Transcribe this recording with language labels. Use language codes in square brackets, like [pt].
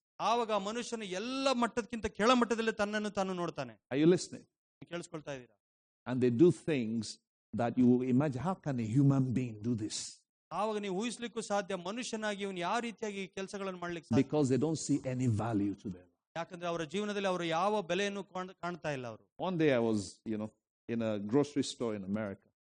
[kn] ಆವಾಗ ಮನುಷ್ಯನ ಎಲ್ಲ ಮಟ್ಟದಕ್ಕಿಂತ ಕೆಳಮಟ್ಟದಲ್ಲಿ ತನ್ನನ್ನು ತಾನು ನೋಡ್ತಾನೆ. [en] Are you listening? [kn] ಕೇಳಿಸ್ಕೊಳ್ತಾ ಇದ್ದೀರಾ? [en] And they do things that you imagine, how can a human being do this? [kn] ಆವಾಗ ನೀವು ಊಹಿಸಲಿಕ್ಕೂ ಸಾಧ್ಯ, ಮನುಷ್ಯನಾಗಿ ಇವನು ಯಾವ ರೀತಿಯಾಗಿ ಕೆಲಸಗಳನ್ನು ಮಾಡ್ಲಿಕ್ಕೆ. [en] Because they don't see any value to them. [kn] ಯಾಕಂದ್ರೆ ಅವರ ಜೀವನದಲ್ಲಿ ಅವರು ಯಾವ ಬೆಲೆಯನ್ನು ಕಾಣ್ತಾ ಇಲ್ಲ ಅವರು. [en] One day I was, you know, in a grocery store in America.